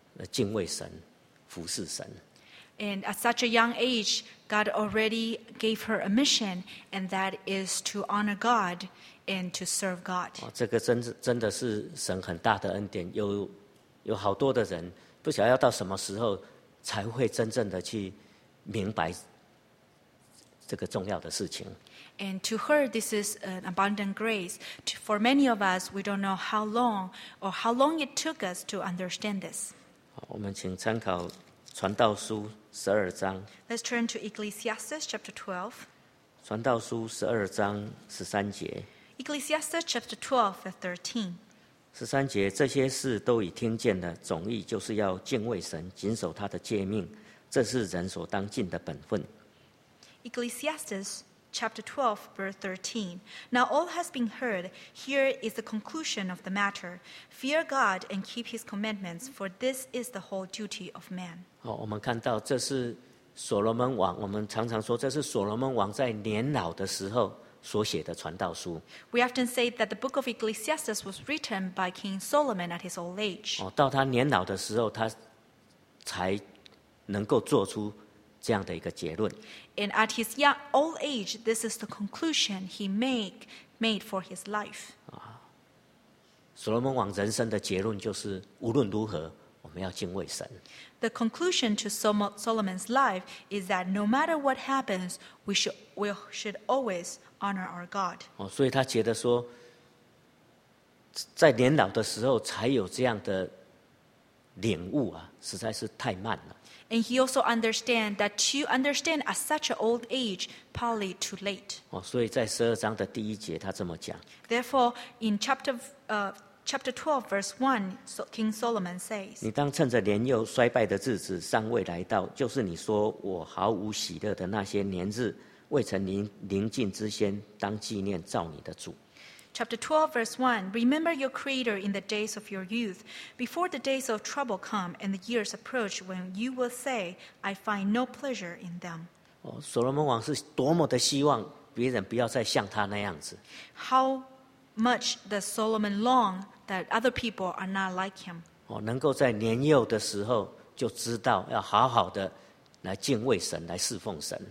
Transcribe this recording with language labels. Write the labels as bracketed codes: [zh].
[zh] 敬畏神，服侍神。 [en] And at such a young age, God already gave her a mission, and that is to honor God and to serve God. [zh] 这个真的是神很大的恩典，有好多的人不晓得要到什么时候才会真正的去明白这个重要的事情。 [en] And to her, this is an abundant grace. For many of us, we don't know how long or how long it took us to understand this. [zh] 我们请参考传道书十二章。 [en] Let's turn to Ecclesiastes chapter 12. [zh] 传道书十二章十三节。 [en] Ecclesiastes chapter 12, verse 13. [zh] 十三节，这些事都已听见了，总意就是要敬畏神，谨守他的诫命，这是人所当尽的本分。 [en] Ecclesiastes chapter 12 verse 13. Now all has been heard. Here is the conclusion of the matter. Fear God and keep his commandments, for this is the whole duty of man. [zh] 我们看到这是所罗门王，我们常常说这是所罗门王在年老的时候所写的传道书。 [en] We often say that the book of Ecclesiastes was written by King Solomon at his old age. [zh] 到他年老的时候，他才能够做出这样的一个结论。 [en] And at his young old age, this is the conclusion he made for his life. [zh] 所罗门王人生的结论就是，无论如何，我们要敬畏神。 [en] The conclusion to Solomon's life is that no matter what happens, we should always honor our God. [zh] 所以他觉得说，在年老的时候才有这样的领悟啊，实在是太慢了。 [en] And he also understand that to understand at such an old age, probably too late. [zh] 所以在十二章的第一节，他这么讲。 [en] Therefore, in chapter 12, verse 1, King Solomon says, [zh] 你当趁着年幼衰败的日子尚未来到，就是你说我毫无喜乐的那些年日，未曾临近之先，当纪念造你的主。 [en] Chapter 12, verse 1, Remember your Creator in the days of your youth, before the days of trouble come and the years approach when you will say, I find no pleasure in them. [zh] 所罗门王是多么的希望别人不要再像他那样子。 [en] How much does Solomon long that other people are not like him? [zh] 能够在年幼的时候就知道要好好的来敬畏神，来侍奉神。